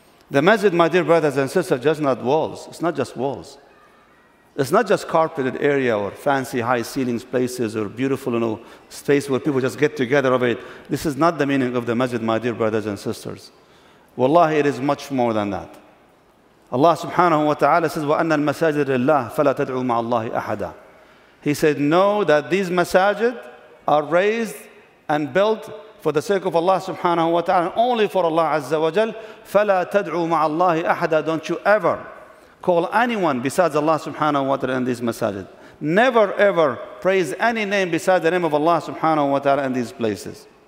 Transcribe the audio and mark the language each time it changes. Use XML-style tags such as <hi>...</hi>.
<en>The masjid, my dear brothers and sisters, just not walls. It's not just walls. It's not just carpeted area or fancy high ceilings places or beautiful, you know, space where people just get together of it. This is not the meaning of the masjid, my dear brothers and sisters. Wallahi, it is much more than that. Allah subhanahu wa ta'ala says,</en> <ar>وَأَنَّ الْمَسَاجِدَ لِلَّهِ فَلَا تَدْعُوا مَعَ اللَّهِ أَحَدًا.</ar> <en>He said, know that these masajid are raised and built for the sake of Allah subhanahu wa ta'ala, only for Allah azza wa jal.</en> <ar>فَلَا تَدْعُوا مَعَ اللَّهِ أَحَدًا.</ar> <en>Don't you ever call anyone besides Allah subhanahu wa ta'ala in these masajid. Never ever praise any name besides the name of Allah subhanahu wa ta'ala in these places.</en>